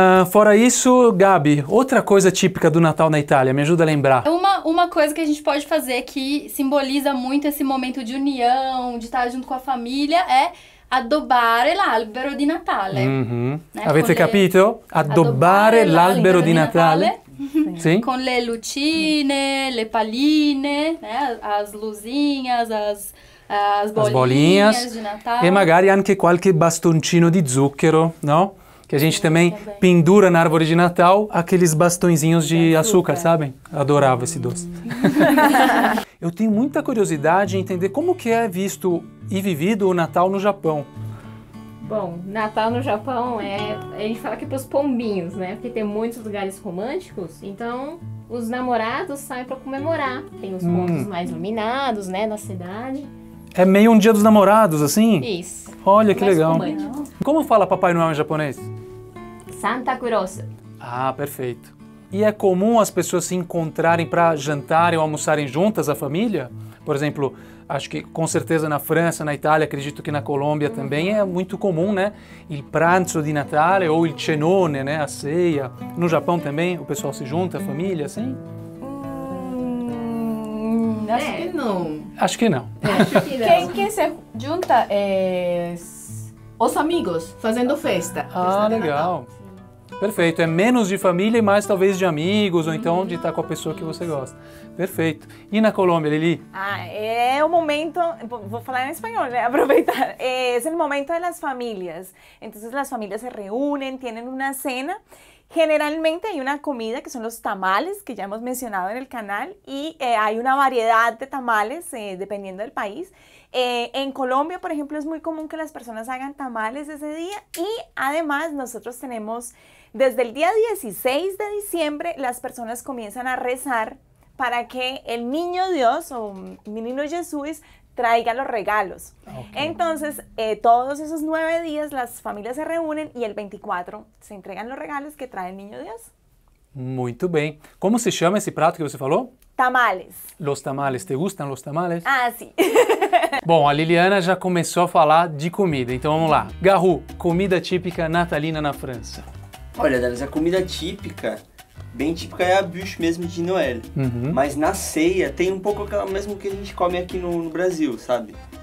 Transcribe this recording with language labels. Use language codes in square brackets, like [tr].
[pt] Fora isso, Gabi, outra coisa típica do Natal na Itália, me ajuda a lembrar. Uma coisa que a gente pode fazer que simboliza muito esse momento de união, de estar junto com a família, é [it] adobare l'albero di Natale. Uhum. Né? Avete capito? Adobare l'albero di Natale. Sim. Com le lucine, le paline, né? [pt] As luzinhas, as bolinhas de Natale. [it] E magari anche qualche bastoncino di zucchero, no? [pt] Que a gente também pendura na árvore de Natal aqueles bastõezinhos de açúcar, sabem? Adorava esse doce. Eu tenho muita curiosidade em entender como que é visto e vivido o Natal no Japão. Bom, Natal no Japão é... A gente fala que é pros pombinhos, né? Porque tem muitos lugares românticos, então os namorados saem para comemorar. Tem os pontos mais iluminados, né, na cidade. É meio um dia dos namorados, assim? Isso. Olha que mais legal. Romântico. Como fala Papai Noel em japonês? Santa Cruz. Ah, perfeito. E é comum as pessoas se encontrarem para jantarem ou almoçarem juntas, a família? Por exemplo, acho que com certeza na França, na Itália, acredito que na Colômbia também é muito comum, né? [it] Il pranzo di Natale ou il cenone, né? [pt] A ceia. No Japão também o pessoal se junta, a família, assim? Acho que não. Quem se junta é os amigos fazendo festa. Ah, legal. Perfeito. É menos de família e mais talvez de amigos, ou então de estar com a pessoa que você gosta. Perfeito. E na Colômbia, Lili? Ah, é o momento... Vou falar em espanhol, né? Aproveitar. É o momento das famílias. Então, as famílias se reúnem, têm uma cena. [es] Generalmente hay una comida que son los tamales, que ya hemos mencionado en el canal, y hay una variedad de tamales dependiendo del país. En Colombia, por ejemplo, es muy común que las personas hagan tamales ese día, y además nosotros tenemos, desde el día 16 de diciembre, las personas comienzan a rezar para que el niño Dios o menino Jesús traiga los regalos. Okay. Entonces, todos esos 9 días las familias se reúnen y el 24 se entregan los regalos que trae el niño Dios. Muy bien. ¿Cómo se llama ese plato que usted habló? Tamales. Los tamales. ¿Te gustan los tamales? Ah, sí. [pt] Bom, a Liliana já começou a falar de comida, então vamos lá. Garru, comida típica natalina na França. Olha, Dallas, a comida típica, bem típica, é a bûche mesmo de Noël. Uhum. Mas na ceia tem um pouco aquela mesmo que a gente come aqui no Brasil, sabe?